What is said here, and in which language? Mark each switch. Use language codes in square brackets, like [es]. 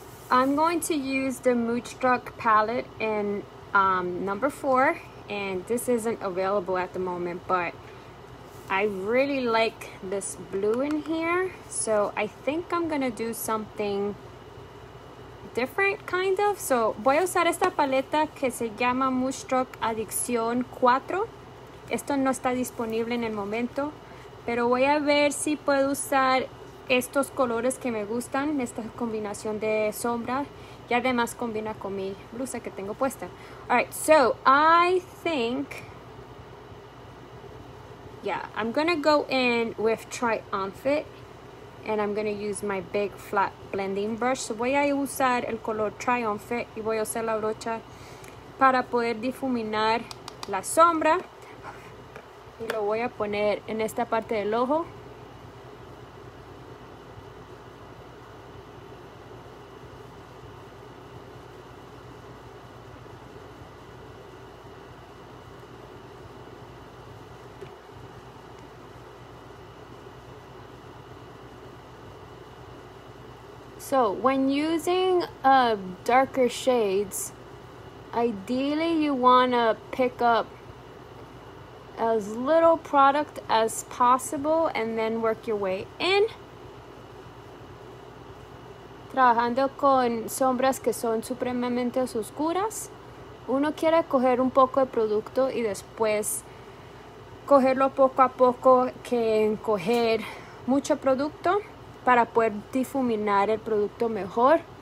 [en] I'm going to use the Moochstruck palette in number 4, and this isn't available at the moment, but I really like this blue in here, so I think I'm gonna do something different, kind of. [es] So voy a usar esta paleta que se llama Moochstruck Adicción 4. Esto no está disponible en el momento, pero voy a ver si puedo usar estos colores que me gustan, esta combinación de sombra, y además combina con mi blusa que tengo puesta. [en] Alright, so I think, yeah, I'm gonna go in with Triumphant, and I'm gonna use my big flat blending brush. [es] So voy a usar el color Triumphant y voy a usar la brocha para poder difuminar la sombra. Y lo voy a poner en esta parte del ojo. [en] So when using darker shades, ideally you want to pick up as little product as possible and then work your way in. [es] Trabajando con sombras que son supremamente oscuras, uno quiere coger un poco de producto y después cogerlo poco a poco que coger mucho producto, para poder difuminar el producto mejor.